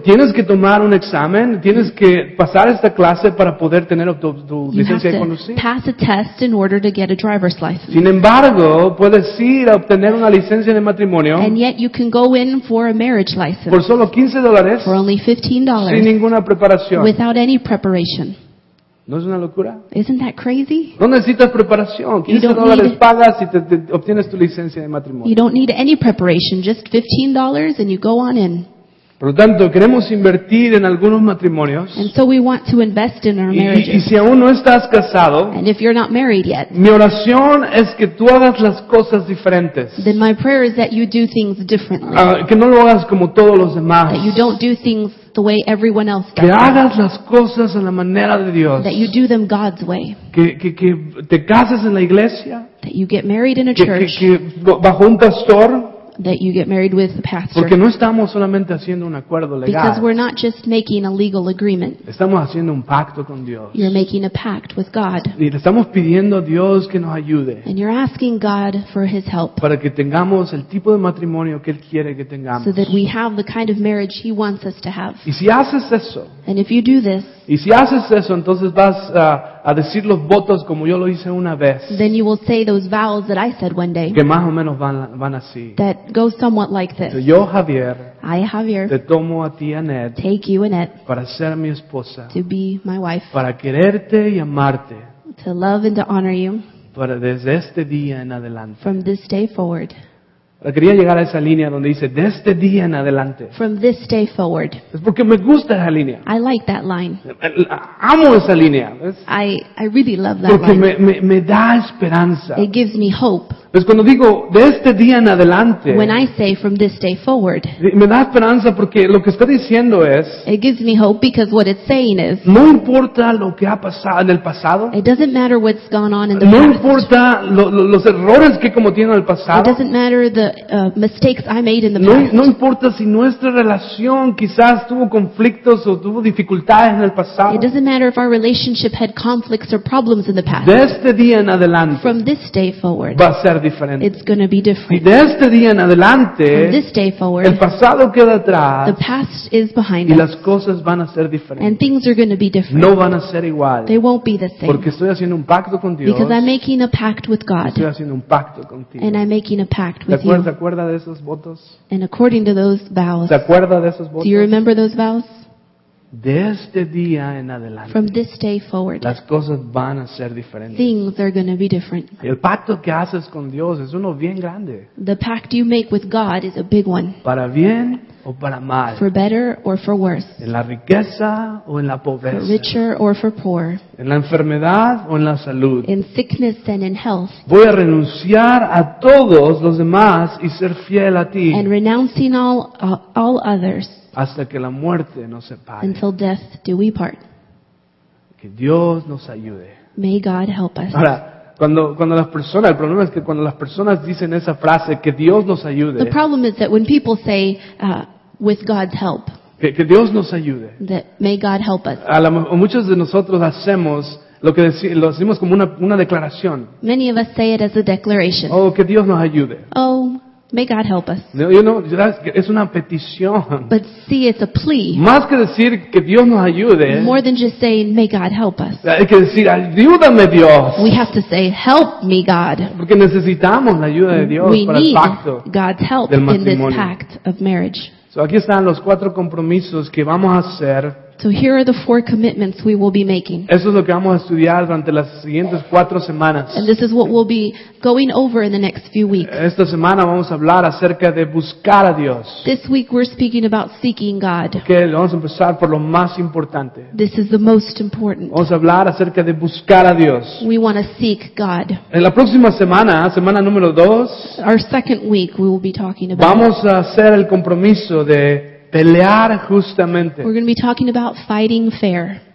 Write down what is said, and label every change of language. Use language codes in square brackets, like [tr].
[es] Tienes que tomar un examen, tienes que pasar esta clase para poder tener tu licencia de conducir. [en] You have to pass a test in order to get a driver's license. [es] Sin embargo, puedes ir a obtener una licencia de matrimonio. [en] And yet you can go in for a marriage license. [es] Por solo $15. [en] For only $15. [es] Sin ninguna preparación. [en] Without any preparation. [es] ¿No es una locura? [en] Isn't that crazy? [es] No necesitas preparación. $15 pagas y te obtienes tu licencia de matrimonio. [en] You don't need any preparation, just $15 and you go on in. [es] Por lo tanto, queremos invertir en algunos matrimonios. [en] And so we want to invest in our marriages. [es] Y si aún no estás casado, [en] and if you're not married yet, [es] mi oración es que tú hagas las cosas diferentes. [en] Then my prayer is that you do things differently. [es] Que no lo hagas como todos los demás. [en] That you don't do things the way everyone else does. [es] Que hagas las cosas a la manera de Dios. [en] That you do them God's way. [es] Que te cases en la iglesia. [en] That you get married in a church. [es] Que bajo un pastor. [en] That you get married with the pastor. [es] Porque no estamos solamente haciendo un acuerdo legal. [en] Because we're not just making a legal agreement. [es] Estamos haciendo un pacto con Dios. [en] You're making a pact with God. [es] Y le estamos pidiendo a Dios que nos ayude. [en] And you're asking God for His help. [es] Para que tengamos el tipo de matrimonio que Él quiere que tengamos. [en] So that we have the kind of marriage He wants us to have. [es] Y si haces eso. [en] And if you do this. [es] Y si haces eso, entonces vas a decir los votos como yo lo hice una vez. [en] Then you will say those vows that I said one day. [es] Que más o menos van así. [en] That go somewhat like this. [es] Yo, Javier. [en] I, Javier. [es] Te tomo a ti, Annette. [en] Take you, Annette. [es] Para ser mi esposa. [en] To be my wife. [es] Para quererte y amarte. [en] To love and to honor you. [es] Para desde este día en adelante. [en] From this day forward. [es] Quería llegar a esa línea donde dice, de este día en adelante. [en] From this day forward. [es] Es porque me gusta esa línea. [en] I like that line. [es] Amo esa línea. [en] I really love that [es] porque [en] line. [es] Porque me da esperanza. [en] It gives me hope. [es] Pues cuando digo, de este día en adelante. [en] When I say, from this day forward. [es] Me da esperanza porque lo que está diciendo es. [en] It gives me hope because what it's saying is. [es] No importa lo que ha pasado en el pasado. [en] It doesn't matter what's gone on in the [es] no [en] past. [es] No importa los errores que he cometido en el pasado. [en] It doesn't matter the mistakes I made in the past. [es] No importa si nuestra relación quizás tuvo conflictos o tuvo dificultades en el pasado. [en] It doesn't matter if our relationship had conflicts or problems in the past. [es] De este día en adelante. [en] From this day forward. [es] Va a ser diferente. [en] It's going to be different. [es] Y de este día en adelante. [en] From this day forward. [es] El pasado queda atrás. [en] The past is behind [es] y [en] us. [es] Y las cosas van a ser diferentes. [en] And things are going to be different. [es] No van a ser igual. [en] They won't be the same. [es] Porque estoy haciendo un pacto con Dios. [en] Because I'm making a pact with God. [es] Estoy haciendo un pacto contigo. [en] And I'm making a pact with you. [es] ¿Te acuerdas de esos votos? [en] And according to those vows. [es] ¿Te acuerdas de esos votos? [en] Do you remember those vows? [es] De este día en adelante. [en] From this day forward. [es] Las cosas van a ser diferentes. [en] Things are going to be different. [es] El pacto que haces con Dios es uno bien grande. [en] The pact you make with God is a big one. [es] Para bien o para mal. [en] For better or for worse. [es] En la riqueza o en la pobreza. [en] For richer or for poor. [es] En la enfermedad o en la salud. [en] In sickness and in health. [es] Voy a renunciar a todos los demás y ser fiel a ti. [en] And renouncing all others. [es] Hasta que la muerte nos separe. [en] Until death do we part. [es] Que Dios nos ayude. [en] May God help us. [es] Ahora, cuando las personas, el problema es que cuando las personas dicen esa frase, que Dios nos ayude. [en] The problem is that when people say, with God's help. [es] Que Dios nos ayude. [en] That may God help us. [es] Muchos de nosotros hacemos lo que decimos como una declaración. [en] Many of us say it as a declaration. [es] Oh, que Dios nos ayude. [en] Oh, may God help us. [es] No, [en] you know, [es] es una petición. [en] But see, it's a plea. [es] Más que decir que Dios nos ayude. [en] More than just saying, may God help us. [es] Hay que decir, ayúdame Dios. [en] We have to say, help me God. [es] Porque necesitamos la ayuda de Dios [en] we [es] para el pacto [en] God's help [es] del matrimonio. [en] In this pact of marriage. [es] So aquí están los cuatro compromisos que vamos a hacer. [en] So here are the four commitments we will be making. [es] Eso es lo que vamos a estudiar durante las siguientes cuatro semanas. [en] And this is what we'll be going over in the next few weeks. [es] Esta semana vamos a hablar acerca de buscar a Dios. [en] This week we're speaking about seeking God. [es] Okay, vamos a empezar por lo más importante. [en] This is the most important. [es] Vamos a hablar acerca de buscar a Dios. [en] We want to seek God. [es] En la próxima semana, semana número dos, [en] our second week we will be talking about. [es] Vamos a hacer el compromiso de pelear justamente. [en] We're going to be talking about fighting fair.